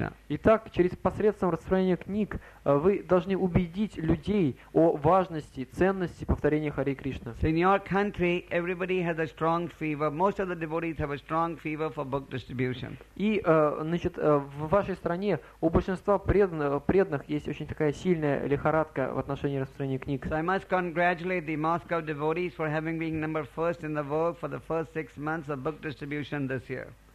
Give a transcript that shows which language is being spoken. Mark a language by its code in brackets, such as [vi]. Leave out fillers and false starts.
[ru] Итак, через посредством распространения книг вы должны убедить людей о важности, ценности повторения Хари Кришна. [en] So in your country, everybody has a strong fever. Most of the devotees have a strong fever for book distribution. [ru] И, значит, в вашей стране у большинства преданных есть очень такая сильная лихорадка в отношении распространения книг. [en] So I must congratulate the Moscow devotees for having been number first in the world for the first 6 months of book distribution this year.